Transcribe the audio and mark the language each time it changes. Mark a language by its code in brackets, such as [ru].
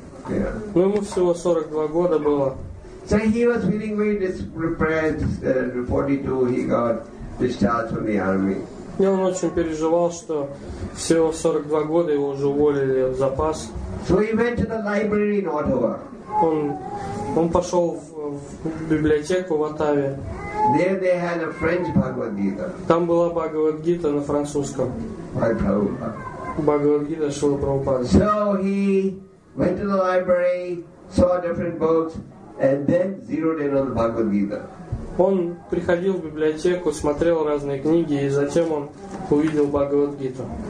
[ru] Yeah. Ну, ему всего 42 года было. [en] So he was feeling very depressed. 42, he got discharged from the army. [ru] И он очень переживал, что всего 42 года его уже уволили в запас. [en] So he went to the library in Ottawa. [ru] Он пошел в библиотеку в Оттаве. [en] There they had a French Bhagavad Gita. [ru] Там была Бхагавад Гита на французском. [en] By Prabhupada. [ru] Бхагавад Гита Шрила Прабхупады. [en] So he went to the library, saw different books, and then zeroed in on the Bhagavad Gita. [ru] Он приходил в библиотеку, смотрел разные книги, и затем он увидел Бхагавад-гиту.